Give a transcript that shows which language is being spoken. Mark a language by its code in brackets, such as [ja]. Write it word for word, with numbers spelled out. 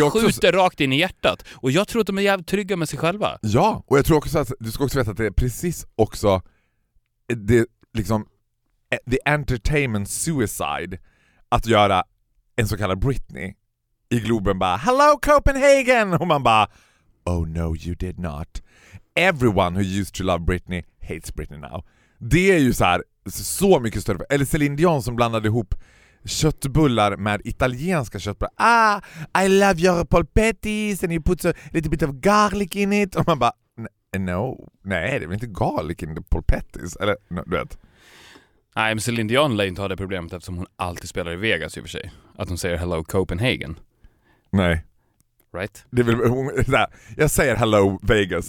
[sv] det skjuter också... rakt in i hjärtat. Och jag tror att de är jävligt trygga med sig själva. Ja, och jag tror också att du ska också veta att det är precis också det liksom [en] the entertainment suicide [sv] att göra en så kallad Britney i Globen bara [en] hello Copenhagen! [sv] Och man bara [en] oh no you did not. Everyone who used to love Britney hates Britney now. [sv] Det är ju så här så mycket större. Eller Celine Dion som blandade ihop köttbullar med italienska köttbullar. [en] Ah, I love your polpettis and you put a little bit of garlic in it. [sv] Och man bara, no, nej det är väl inte [en] garlic in the polpettis. [sv] Eller, no, du vet. Nej, men Celine Dion lär inte ha det problemet eftersom hon alltid spelar i Vegas i och för sig. Att hon säger [en] hello Copenhagen. [sv] Nej. [en] Right? [sv] Det vill, hon, nej, jag säger [en] hello Vegas.